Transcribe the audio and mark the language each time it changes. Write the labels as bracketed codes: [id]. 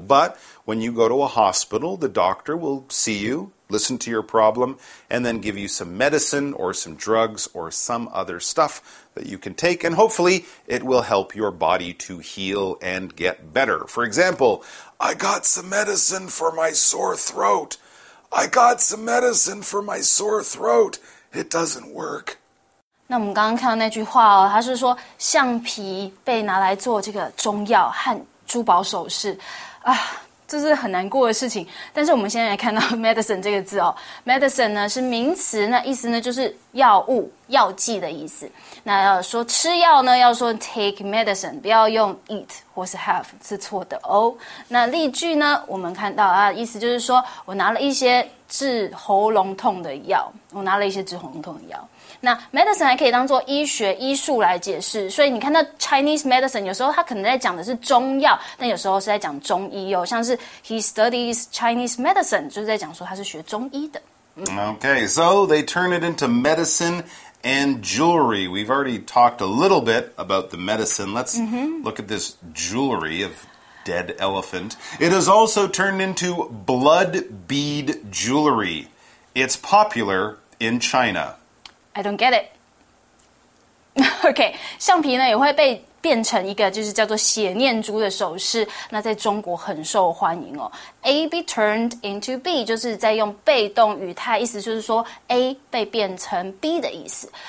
[en] But when you go to a hospital, the doctor will see you, listen to your problem, and then give you some medicine or some drugs or some other stuff that you can take, and hopefully it will help your body to heal and get better. For example, I got some medicine for my sore throat. I got some medicine for my sore throat. It doesn't work. [zh] 那我们刚刚看到那句话哦，它是说橡皮被拿来做这个中药和珠宝首饰啊，这是很难过的事情。但是我们现在看到 medicine 这个字哦， medicine 呢是名词，那意思呢就是药物、药剂的意思。那要说吃药呢，要说 take medicine，不要用 eat 或是 have， 是错的哦。那例句呢，我们看到啊，意思就是说我拿了一些治喉咙痛的药，我拿了一些治喉咙痛的药。那 medicine 还可以当作医学医术来解释，所以你看到 Chinese medicine 有时候他可能在讲的是中药，但有时候是在讲中医哦，像是 he studies Chinese medicine 就是在讲说他是学中医的。 [en] Okay, so they turn it into medicine and jewelry. We've already talked a little bit about the medicine. Let's look at this jewelry of dead elephant. It is also turned into blood bead jewelry. It's popular in China. I don't get it. [zh] Okay, 橡皮呢也会被变成一个就是叫做血念珠的首饰，那在中国很受欢迎哦。 A be turned into B 就是在用被动语态，意思就是说 A 被变成 B 的意思。